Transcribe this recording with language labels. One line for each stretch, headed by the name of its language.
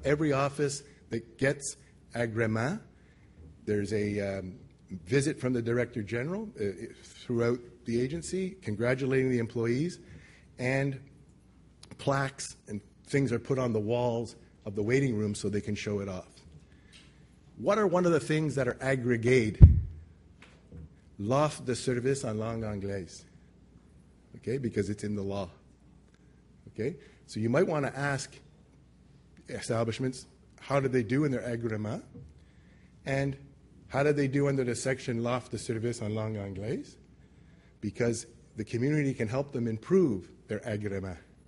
English: Every office that gets agrément, there's a visit from the director general throughout the agency congratulating the employees, and plaques and things are put on the walls of the waiting room so they can show it off. What are one of the things that are agrégé?
French: L'offre de service en langue anglaise.
English: Okay, because it's in the law. Okay, so you might want to ask establishments, how did they do in their agrément? And how did they do under the section
French: l'offre de service en langue anglaise?
English: Because the community can help them improve their agrément.